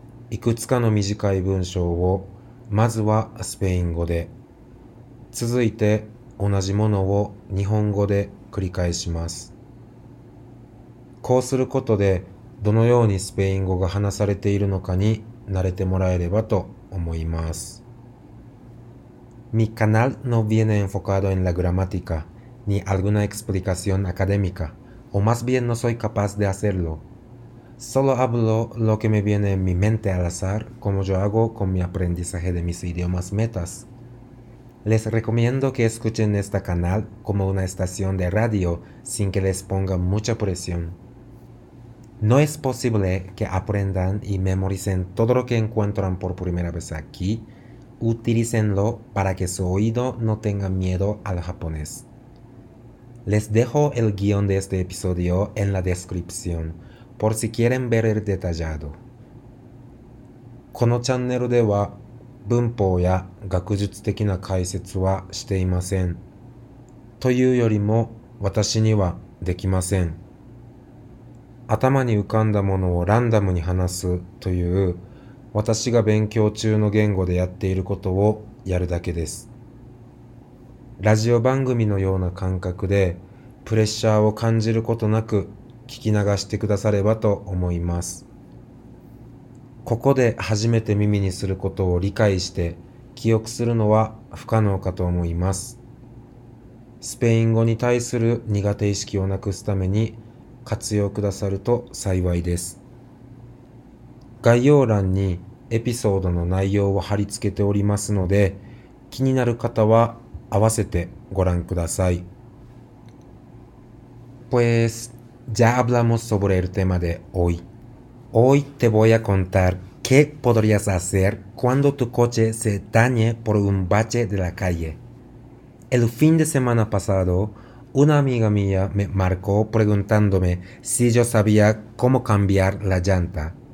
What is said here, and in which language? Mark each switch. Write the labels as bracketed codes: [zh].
[ja] いくつかの短い文章を、まずはスペイン語で、続いて同じものを日本語で繰り返します。こうすることで、どのようにスペイン語が話されているのかに慣れてもらえればと思います。 [es] Mi canal no viene enfocado en la gramática. Ni alguna explicación académica, o más bien no soy capaz de hacerlo. Solo hablo lo que me viene en mi mente al azar, como yo hago con mi aprendizaje de mis idiomas metas. Les recomiendo que escuchen este canal como una estación de radio sin que les ponga mucha presión. No es posible que aprendan y memoricen todo lo que encuentran por primera vez aquí, utilícenlo para que su oído no tenga miedo al japonés. Les dejo el guión de este episodio en la descripción, por si quieren ver el detallado. [ja] このチャンネルでは文法や学術的な解説はしていません。というよりも私にはできません。頭に浮かんだものをランダムに話すという私が勉強中の言語でやっていることをやるだけです。ラジオ番組のような感覚でプレッシャーを感じることなく聞き流してくださればと思います。ここで初めて耳にすることを理解して記憶するのは不可能かと思います。スペイン語に対する苦手意識をなくすために活用くださると幸いです。概要欄にエピソードの内容を貼り付けておりますので、気になる方は合わせてご覧ください。 [es] Pues ya hablamos sobre el tema de hoy. Hoy te voy a contar qué podrías hacer cuando tu coche se dañe por un bache de la calle. El fin de semana pasado, una amiga mía me marcó preguntándome si yo sabía cómo cambiar la llanta.